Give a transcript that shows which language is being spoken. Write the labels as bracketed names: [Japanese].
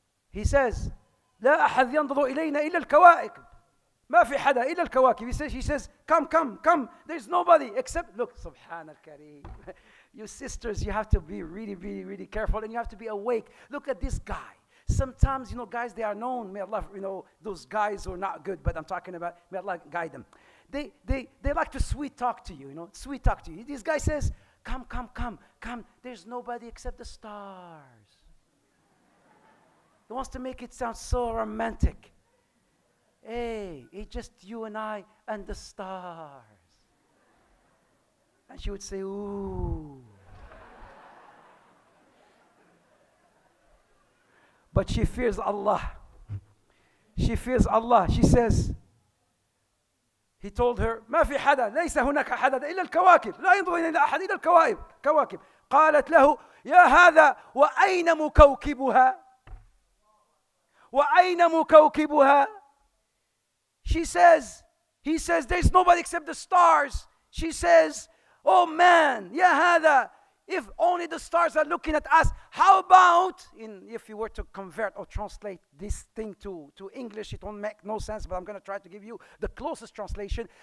[English] He says, [Arabic] لا أحد ينظر إلينا إلا الكواكب ما في حدا إلا الكواكب. [English] He says, come. There's nobody except, look, [Arabic] سبحان الكريم. [English] You sisters, you have to be really, really, really careful, and you have to be awake. Look at this guy. Sometimes, you know, guys, they are known. May Allah, you know, those guys who are not good, but I'm talking about, may Allah guide them. They like to sweet talk to you, you know, sweet talk to you. This guy says, come. There's nobody except the stars. He wants to make it sound so romantic. Hey, it's just you and I and the stars. And she would say, ooh. But she fears Allah. She fears Allah. She says, he told her, [Arabic] ما في حدا ليس هناك حدا إلا الكواكب لا ينظر إلى أحد إلا الكواكب كواكب. قالت له يا هذا وأين مكوكبها وأين مكوكبها. [English] She says, he says, there's nobody except the stars. She says, oh man, [Arabic] ya hada, [English] if only the stars are looking at us, how about, if you were to convert or translate this thing to English, it won't make no sense, but I'm going to try to give you the closest translation.